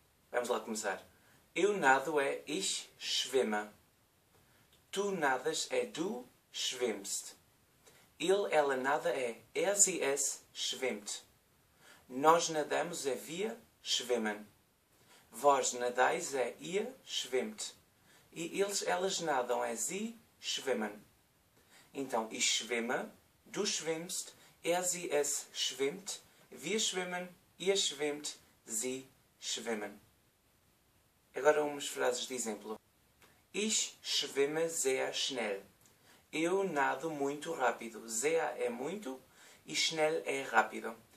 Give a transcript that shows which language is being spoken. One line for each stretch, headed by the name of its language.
Portuguese: Vamos lá começar. Eu nado é
German: ich schwimme.
Portuguese: Tu nadas é
German: du schwimmst.
Portuguese: Ele, ela nada é
German: er, sie, es schwimmt.
Portuguese: Nós nadamos é
German: wir schwimmen.
Portuguese: Vós nadais é
German: ihr schwimmt.
Portuguese: E eles, elas nadam é
German: sie schwimmen.
Portuguese: Então,
German: ich schwimme, du schwimmst, er, sie, es schwimmt, wir schwimmen, ihr schwimmt, sie schwimmen.
Portuguese: Agora umas frases de exemplo.
German: Ich schwimme sehr schnell.
Portuguese: Eu nado muito rápido. Sehr é muito e schnell é rápido.